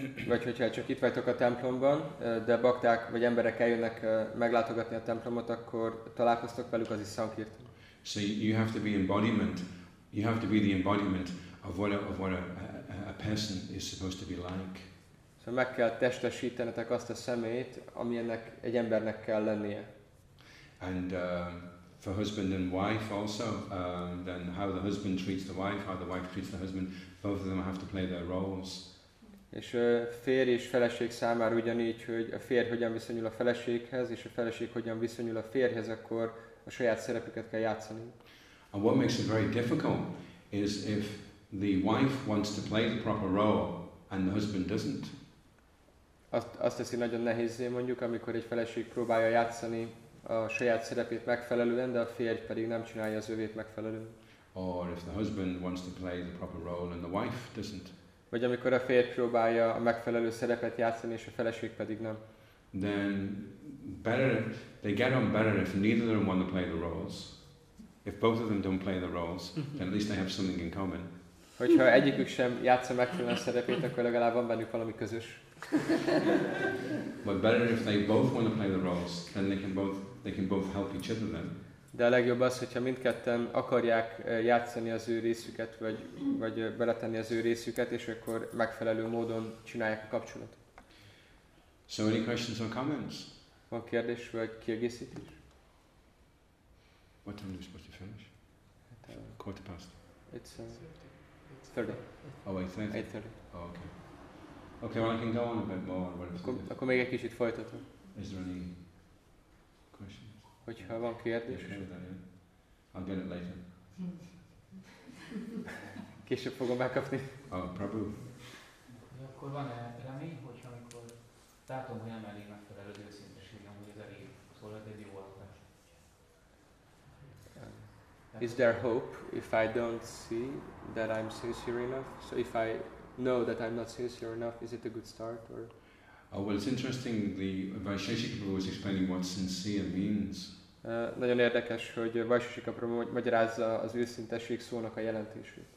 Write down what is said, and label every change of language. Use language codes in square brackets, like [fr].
[hu] Vagy hogyha csak itt vagytok a templomban, de bakták vagy emberek eljönnek meglátogatni a templomot, akkor találkoztok velük, az is sankirtan. [en] So you have to be embodiment. You have to be the embodiment of what a person is supposed to be like. [hu] Szóval meg kell testesítenetek azt a személyt, amilyennek egy embernek kell lennie. [en] And for husband and wife also, then how the husband treats the wife, how the wife treats the husband, both of them have to play their roles. [hu] És férj és feleség számára ugyanígy, hogy a férj hogyan viszonyul a feleséghez, és a feleség hogyan viszonyul a férjhez, akkor a saját szerepüket kell játszani. [en] And what makes it very difficult is if the wife wants to play the proper role and the husband doesn't. [hu] Azt teszi nagyon nehézé mondjuk, amikor egy feleség próbálja játszani a saját szerepét megfelelően, de a férj pedig nem csinálja az övét megfelelően. [en] Or if the husband wants to play the proper role and the wife doesn't. [hu] Vagy amikor a férj próbálja a megfelelő szerepet játszani, és a feleség pedig nem. [en] Then better, they get on better if neither of them want to play the roles. If both of them don't play the roles, then at least they have something in common. [hu] Hogyha egyikük sem játssza megfelelően a szerepét, akkor legalább van bennük valami közös. [en] But better if they both want to play the roles, then they can both help each other then. [hu] De a legjobb az, hogyha mindketten akarják játszani az ő részüket, vagy beletenni az ő részüket, és akkor megfelelő módon csinálják a kapcsolat. [en] So any questions or comments? [hu] Van kérdés, vagy kiegészítés? [en] What time do we supposed to finish? Quarter past. It's 30. Oh, 8:30? 8:30. Oh, okay. Okay, well, I can go on a bit more. What [hu] akkor még egy kicsit folytatom. [en] Is there any questions? [hu] Hogyha van kérdés. [en] I'll get it later. [hu] Később fogom megkapni. [en] Oh, Prabhu. [hu] Akkor van-e remény, hogyha amikor látom, hogy nem elég megfelelő őszinteségem, hogy ez elég, szóval ez egy jó alkotás. [en] Is there hope if I don't see that I'm sincere enough? So if I know that I'm not sincere enough, is it a good start or? Oh, well, it's interesting. The Vaisheshika Prabhu was explaining what sincere means. [hu] Nagyon érdekes, hogy Vaisheshika Prabhu magyarázza az őszinteség szónak a jelentését.